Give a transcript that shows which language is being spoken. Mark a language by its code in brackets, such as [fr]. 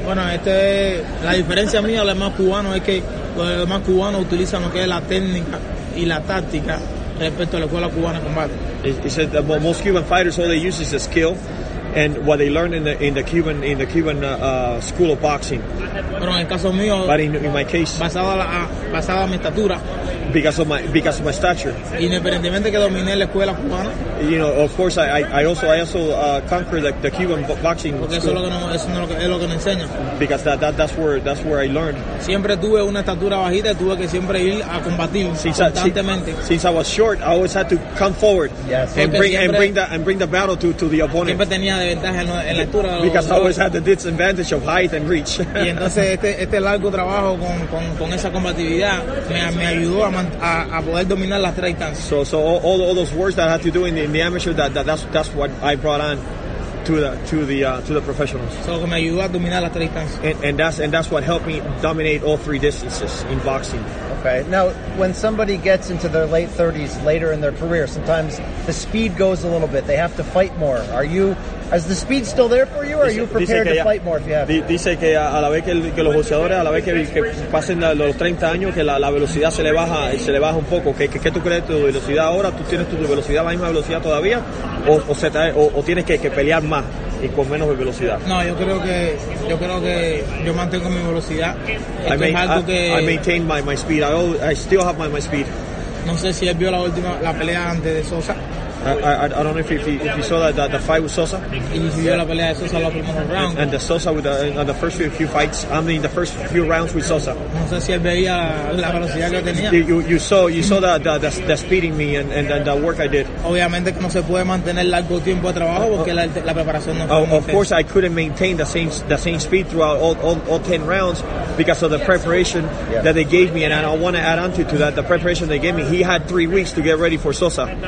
[es] Bueno, la diferencia mía de los demás cubanos es que los demás cubanos utilizan lo que es la técnica y la táctica respecto a la escuela cubana de combate. [en] He said that most Cuban fighters, all they use is the skill and what they learn in the Cuban school of boxing. [es] Pero en el caso mío, [en] but in my case, [es] basado a mi estatura, [en] because of my stature. [es] Independientemente que dominé la escuela cubana, [en] you know, of course, I also conquered the Cuban boxing. [es] Porque eso es lo que me enseña. [en] Because that's where I learned. [es] Siempre tuve una estatura bajita, tuve que siempre ir a combatir constantemente. [en] Since I was short, I always had to come forward and bring the battle to the opponent. [es] Siempre tenía de ventaja en la altura. [en] Because I always had the disadvantage of height and reach. [es] Y entonces este largo trabajo con esa combatividad me ayudó a poder dominar las tres distancias. [en] So all those words that I had to do in the amateur, that's what I brought on to the professionals. So [es] me ayudó a dominar las tres distancias. [en] And that's what helped me dominate all three distances in boxing. Okay. Now, when somebody gets into their late 30s later in their career, sometimes the speed goes a little bit. They have to fight more. Is the speed still there for you, or are you prepared to fight more if you have to? [es] Dice que a la vez que los boxeadores, a la vez que pasen los 30 años, que la velocidad se le baja un poco. ¿Qué tú crees de tu velocidad ahora? ¿Tú tienes tu velocidad, la misma velocidad todavía? ¿O tienes que pelear más y con menos velocidad? No, yo creo que yo mantengo mi velocidad. [en] I maintain my speed. I still have my speed. [es] No sé si él vio la pelea antes de Sosa. [en] I don't know if you saw that the fight with Sosa. And the Sosa with the first few fights. I mean, the first few rounds with Sosa. You saw the speed in me and the work I did. [es] Obviamente que no se puede mantener largo tiempo de trabajo porque la preparación no. [en] Of course, I couldn't maintain the same speed throughout all 10 rounds because of the preparation that they gave me, and I want to add on to that the preparation they gave me. He had 3 weeks to get ready for Sosa.